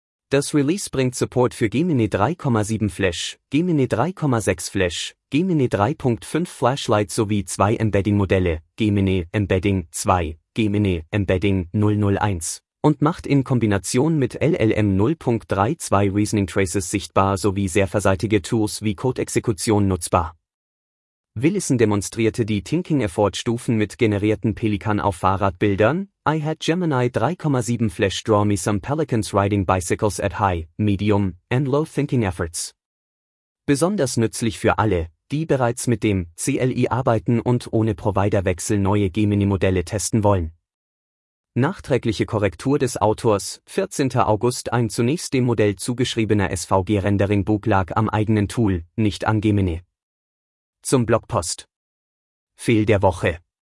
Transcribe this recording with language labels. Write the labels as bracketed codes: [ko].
[de] Das Release bringt Support für Gemini 3.7 Flash, Gemini 3.6 Flash, Gemini 3.5 Flashlight sowie zwei Embedding-Modelle, Gemini Embedding 2, Gemini Embedding 001. Und macht in Kombination mit LLM 0.32 Reasoning Traces sichtbar sowie serverseitige Tools wie Code-Exekution nutzbar. Willison demonstrierte die Thinking-Effort-Stufen mit generierten Pelikan auf Fahrradbildern. [en] I had Gemini 3.7 Flash draw me some Pelicans riding bicycles at high, medium and low thinking efforts. [de] Besonders nützlich für alle, die bereits mit dem CLI arbeiten und ohne Providerwechsel neue Gemini-Modelle testen wollen. Nachträgliche Korrektur des Autors, 14. August ein zunächst dem Modell zugeschriebener SVG-Rendering-Bug lag am eigenen Tool, nicht an Gemini. Zum Blogpost. Fehl der Woche.